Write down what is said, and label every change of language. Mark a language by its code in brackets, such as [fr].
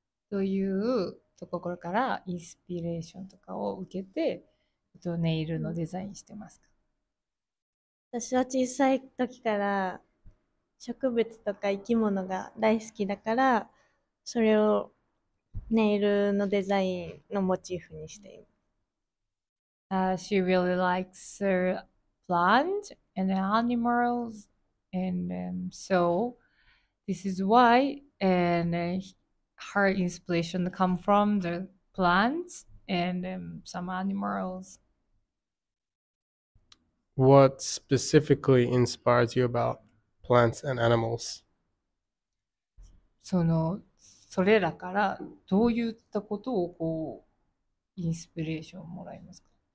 [ja] というところからインスピレーションとかを受けて、ネイルのデザインしてますか。私は小さい時から植物とか生き物が大好きだから、それをネイルのデザインのモチーフにしています。 [en] She really likes plants and animals, and so this is why and her inspiration come from the plants and some animals. What specifically inspires you about plants and animals? [ja] それらからどういったことをこうインスピレーションをもらいますか？